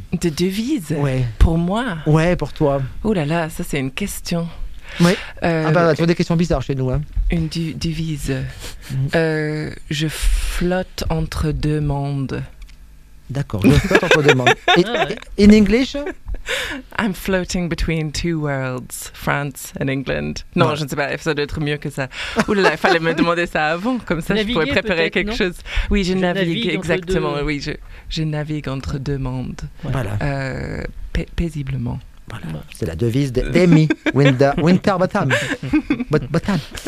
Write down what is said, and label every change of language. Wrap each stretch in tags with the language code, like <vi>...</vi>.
<fr>De devise? Ouais. Pour moi? Ouais, pour toi. Ouh là là, ça c'est une question. Oui. Tu as des questions bizarres chez nous. Hein. Une devise. Je flotte entre deux mondes. D'accord, je flotte entre deux mondes.</fr> <en>In English? I'm floating between two worlds, France and England.</en> <fr>Non, ouais. Je ne sais pas, ça doit être mieux que ça. Ouh là là, il fallait me demander ça avant, comme ça naviguer, je pourrais préparer quelque chose. Oui, je navigue, exactement. Deux... Oui, je navigue entre deux mondes. Voilà. Paisiblement. Voilà. C'est la devise d'Amy Winterbottom. Bottom.</fr>